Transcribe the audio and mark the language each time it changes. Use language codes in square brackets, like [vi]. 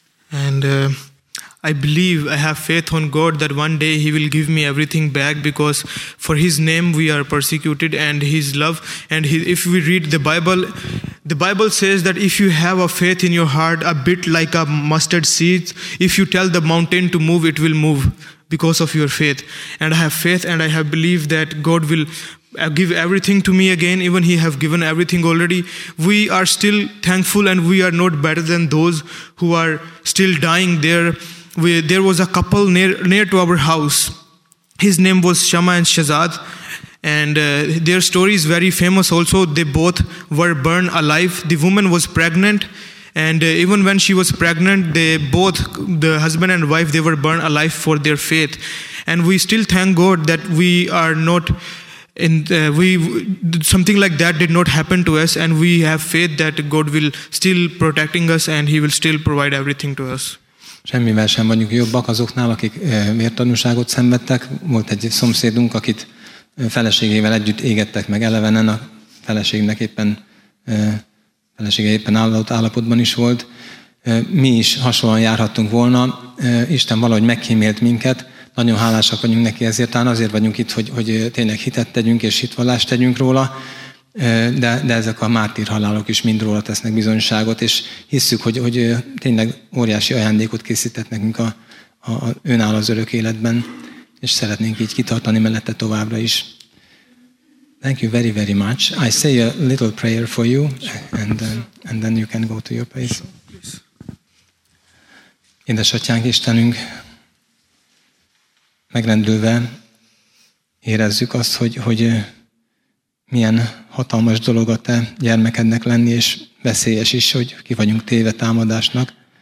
[en] And I believe I have faith on God that one day he will give me everything back because for his name we are persecuted and his love and if we read the Bible The Bible says that if you have a faith in your heart, a bit like a mustard seed, if you tell the mountain to move, it will move because of your faith. And I have faith and I have believed that God will give everything to me again, even He have given everything already. We are still thankful and we are not better than those who are still dying there. There was a couple near to our house. His name was Shama and Shazad. And their story is very famous also. They both were burned alive. The woman was pregnant. And even when she was pregnant, they both, the husband and wife, they were burned alive for their faith. And we still thank God that we are not in, something like that did not happen to us. And we have faith that God will still protecting us and He will still provide everything to us. [hu] Semmivel sem vagyunk jobbak azoknál, akik vértanúságot szenvedtek. Volt egy szomszédunk, akit feleségével együtt égettek meg elevenen, a feleségnek éppen felesége éppen állapotban is volt. Mi is hasonlóan járhattunk volna. Isten valahogy meghímélt minket. Nagyon hálásak vagyunk neki ezért. Talán azért vagyunk itt, hogy tényleg hitet tegyünk és hitvallást tegyünk róla. De ezek a mártír halálok is mind róla tesznek bizonyságot, és hisszük, hogy tényleg óriási ajándékot készített nekünk a önáll az örök életben. És szeretnénk így kitartani mellette továbbra is. [en] Thank you very, very much. I say a little prayer for you, and then you can go to your place. [hu] Édesatyánk, Istenünk, megrendülve érezzük azt, hogy milyen hatalmas dolog a te gyermekednek lenni, és veszélyes is, hogy ki vagyunk téve támadásnak.